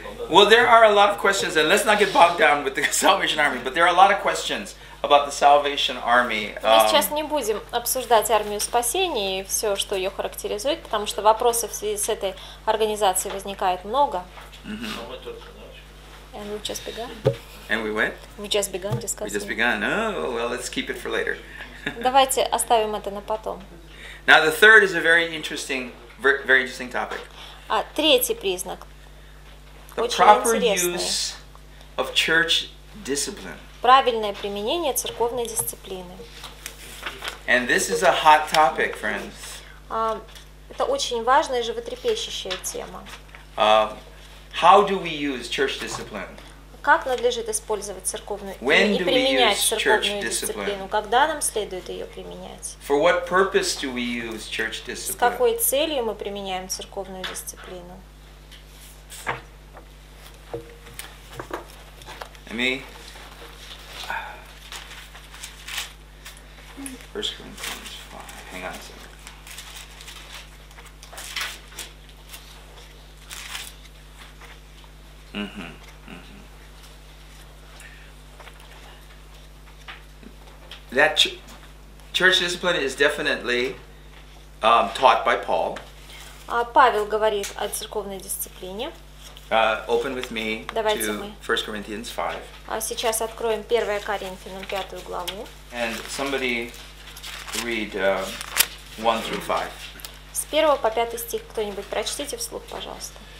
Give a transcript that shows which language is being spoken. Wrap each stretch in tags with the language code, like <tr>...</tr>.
<en>Well, there are a lot of questions, and let's not get bogged down with the Salvation Army, but there are a lot of questions about the Salvation Army.</en> <ru>Мы сейчас не будем обсуждать армию спасения и все, что ее характеризует, потому что вопросов в связи с этой организацией возникает много.</ru> <en>And we've just begun. And we went? We've just begun discussing. We just begun. Oh, well, let's keep it for later.</en> <ru>Давайте оставим это на потом.</ru> <en>Now the third is a very interesting, very interesting topic.</en> <ru>А третий признак.</ru> <en>The proper use of church discipline.</en> <ru>Правильное применение церковной дисциплины.</ru> <en>And this is a hot topic, friends.</en> <ru>Это очень важная и животрепещущая тема.</ru> <en>How do we use church discipline?</en> <ru>Как надлежит использовать церковную дисциплину и применять церковную дисциплину? Когда нам следует ее применять?</ru> <en>For what purpose do we use church discipline?</en> <ru>С какой целью мы применяем церковную дисциплину?</ru> <en>Amy? 1 Corinthians 5. Hang on a second. That church discipline is definitely taught by Paul.</en> <ru>Павел говорит о церковной дисциплине.</ru> <en>Open with me.</en> <ru>Давайте</ru> <en>to 1 Corinthians 5.</en> <ru>Сейчас откроем 1 Коринфянам 5 главу.</ru> <en>And somebody read 1 through 5.</en> <ru>С 1 по 5 стих кто-нибудь прочтите вслух, пожалуйста.</ru>